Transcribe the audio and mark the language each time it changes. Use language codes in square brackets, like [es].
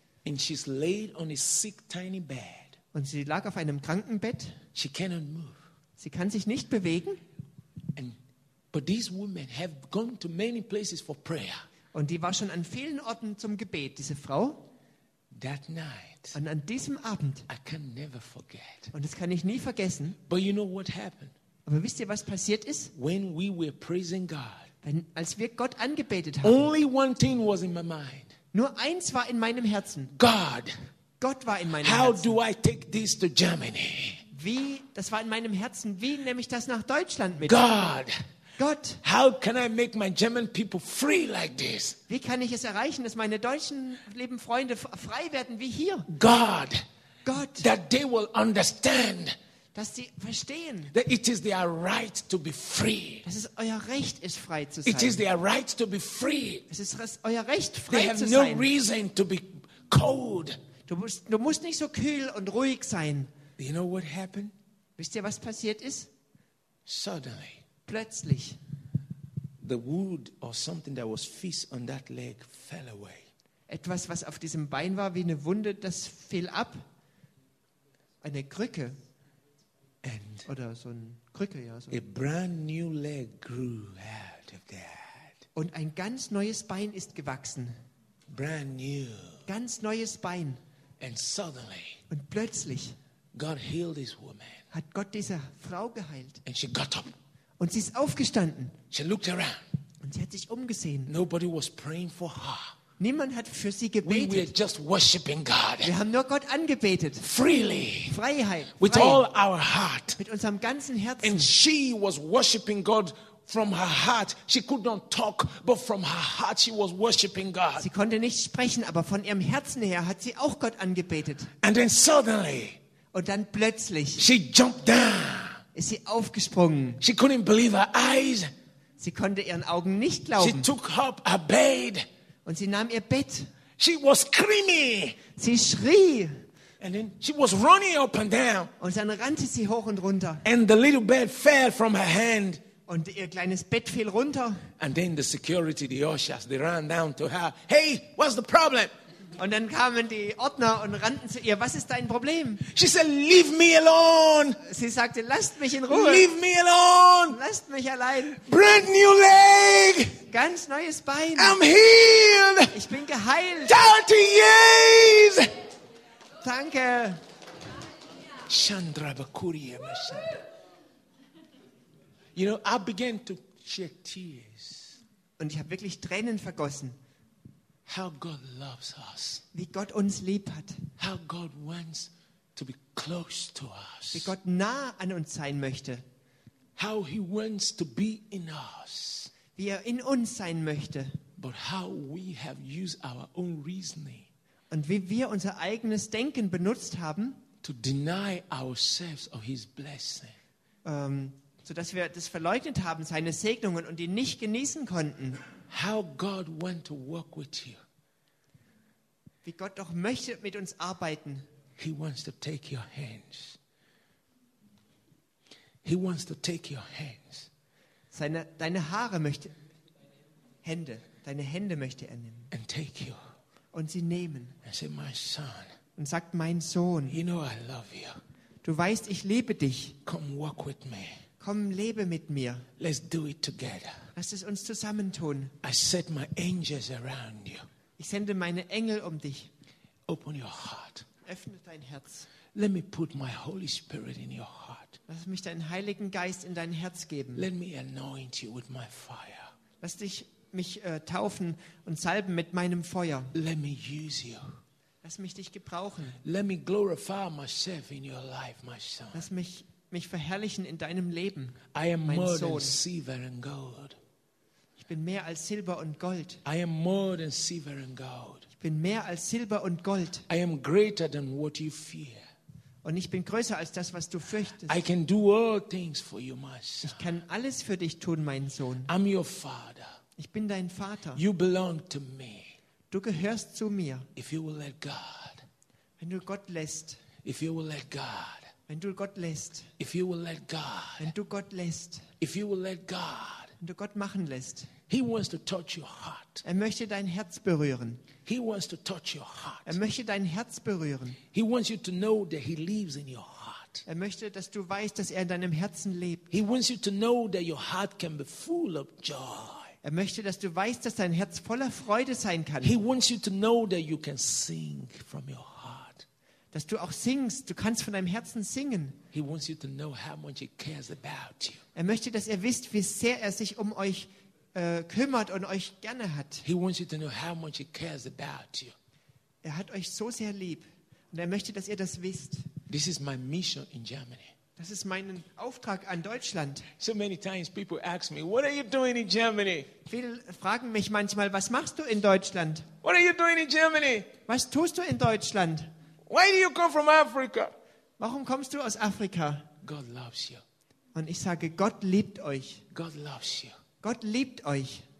[en] And she's laid on a sick tiny bed. [de] Und sie lag auf einem Krankenbett. [en] She cannot move. [de] Sie kann sich nicht bewegen. [en] And, but these women have gone to many places for prayer. [de] Und die war schon an vielen Orten zum Gebet, diese Frau. [en] That night. [de] Und an diesem Abend. [en] I can never forget. [de] Und das kann ich nie vergessen. [en] But you know what happened? [de] Aber wisst ihr, was passiert ist? [en] When we were praising God, [de] wenn, als wir Gott angebetet haben. [en] Only one thing was in my mind. [de] Nur eins war in meinem Herzen. [en] God. [de] Gott war in meinem [en] How [de] Herzen. [en] Do I take this to Germany? [de] Wie, das war in meinem Herzen. Wie nehme ich das nach Deutschland mit? [en] God. [de] Gott. [en] How can I make my German people free like this? [de] Wie kann ich es erreichen, dass meine deutschen lieben Freunde frei werden wie hier? [en] God. [de] Gott. [en] That they will understand. [de] Dass sie verstehen. [en] That it is their right to be free. [de] Dass es euer Recht ist, frei zu sein. [en] It is their right to be free. [de] Es ist euer Recht, frei [en] they [de] zu [en] have [de] sein. [en] No reason to be cold. [de] Du musst nicht so kühl und ruhig sein. [en] You know what happened? [de] Wisst ihr, was passiert ist? [en] Suddenly. [de] Plötzlich. [en] The wood or something that was fixed on that leg fell away. [de] Etwas, was auf diesem Bein war wie eine Wunde, das fiel ab. Eine Krücke. [en] And [de] oder so ein Krücke, ja. So. [en] A brand new leg grew out of that. [de] Und ein ganz neues Bein ist gewachsen. [en] Brand new. [de] Ganz neues Bein. [en] And suddenly. [de] Und plötzlich. [en] God healed this woman. [de] hat Gott diese Frau geheilt. [en] And she got up. [de] Und sie ist aufgestanden. [en] She looked around. [de] Und sie hat sich umgesehen. [en] Nobody was praying for her. [de] Niemand hat für sie gebetet. [en] We were just worshiping God. [de] Wir haben nur Gott angebetet. [en] Freely. [de] Freiheit. Frei. [en] With all our heart. [de] Mit unserem ganzen Herzen. [en] And she was worshiping God from her heart. She could not talk, but from her heart she was worshiping God. [de] Sie konnte nicht sprechen, aber von ihrem Herzen her hat sie auch Gott angebetet. [en] And then suddenly. [de] Und dann plötzlich. [en] She jumped down. [de] Ist sie aufgesprungen. [en] She couldn't believe her eyes. [de] Sie konnte ihren Augen nicht glauben. [en] She took up her bed. [de] Und sie nahm ihr Bett. [en] She was screaming. [de] Sie schrie. [en] And then she was running up and down. [de] Und dann rannte sie hoch und runter. [en] And the little bed fell from her hand. [de] Und ihr kleines Bett fiel runter. [en] And then the security, the ushers, they ran down to her. Hey, what's the problem? [de] Und dann kamen die Ordner und rannten zu ihr. Was ist dein Problem? [en] She said, leave me alone. [de] Sie sagte, lasst mich in Ruhe. [en] Leave me alone. [de] Lasst mich allein. [en] Brand new leg. [de] Ganz neues Bein. [en] I'm healed. [de] Ich bin geheilt. [en] 30 years. [de] Danke. [en] Chandra Bakuriya Mashanda. You know, I began to shed tears. [de] Und ich habe wirklich Tränen vergossen. [en] How God loves us. [de] Wie Gott uns lieb hat. [en] How God wants to be close to us. [de] Wie Gott nah an uns sein möchte. [en] How he wants to be in us. [de] Wie er in uns sein möchte. [en] But how we have used our own reasoning. [de] Und wie wir unser eigenes Denken benutzt haben. [en] To deny ourselves of his blessing. [de] Sodass wir das verleugnet haben, seine Segnungen, und ihn nicht genießen konnten. [en] How God want to work with you. [de] Wie Gott doch möchte mit uns arbeiten. [en] He wants to take your hands. He wants to take your hands. [de] Deine Hände möchte er nehmen. [en] And take you. [de] Und sie nehmen. [en] And say, my son. [de] Und sagt, mein Sohn. [en] You know I love you. [de] Du weißt, ich liebe dich. [en] Come work with me. [de] Komm, lebe mit mir. [en] Let's do it together. [de] Lass es uns zusammentun. [en] I set my angels around you. [de] Ich sende meine Engel um dich. [en] Open your heart. [de] Öffne dein Herz. [en] Let me put my Holy Spirit in your heart. [de] Lass mich deinen Heiligen Geist in dein Herz geben. [en] Let me anoint you with my fire. [de] Lass dich mich taufen und salben mit meinem Feuer. [en] Let me use you. [de] Lass mich dich gebrauchen. [en] Let me glorify myself in your life, my son. [de] Lass mich verherrlichen in deinem Leben, [en] I am [de] mein [en] more [de] Sohn. [en] Than silver and gold. [de] Ich bin mehr als Silber und Gold. [en] I am more than silver and gold. [de] Ich bin mehr als Silber und Gold. [en] I am greater than what you fear. [de] Und ich bin größer als das, was du fürchtest. [en] I can do all things for you, my son. [de] Ich kann alles für dich tun, mein Sohn. [en] I'm your father. [de] Ich bin dein Vater. [en] You belong to me. [de] Du gehörst zu mir. [en] If you will let God. [de] Wenn du Gott lässt. [en] If you will let God. [de] Wenn du Gott lässt, [en] if you will let God, [de] wenn du Gott lässt, [en] if you will let God, [de] wenn du Gott machen lässt, [en] he wants to touch your heart. [de] Er möchte dein Herz berühren. [en] He wants to touch your heart. [de] Er möchte dein Herz berühren. [en] He wants you to know that he lives in your heart. [de] Er möchte, dass du weißt, dass er in deinem Herzen lebt. [en] He wants you to know that your heart can be full of joy. [de] Er möchte, dass du weißt, dass dein Herz voller Freude sein kann. [en] He wants you to know that you can sing from your heart. [de] Dass du auch singst, du kannst von deinem Herzen singen. [en] He wants you to know how much he cares about you. [de] Er möchte, dass ihr wisst, wie sehr er sich um euch kümmert und euch gerne hat. [en] He wants you to know how much he cares about you. [de] Er hat euch so sehr lieb und er möchte, dass ihr das wisst. [en] This is my mission in Germany. [de] Das ist mein Auftrag an Deutschland. [en] So many times people ask me, what are you doing in Germany? [de] Viele fragen mich manchmal, was machst du in Deutschland? [en] What are you doing in Germany? [de] Was tust du in Deutschland? [en] Why do you come from Africa? [de] Warum kommst du aus Afrika? [en] God loves you. [de] Und ich sage, Gott liebt euch. [en] God loves you. [de] Gott liebt euch.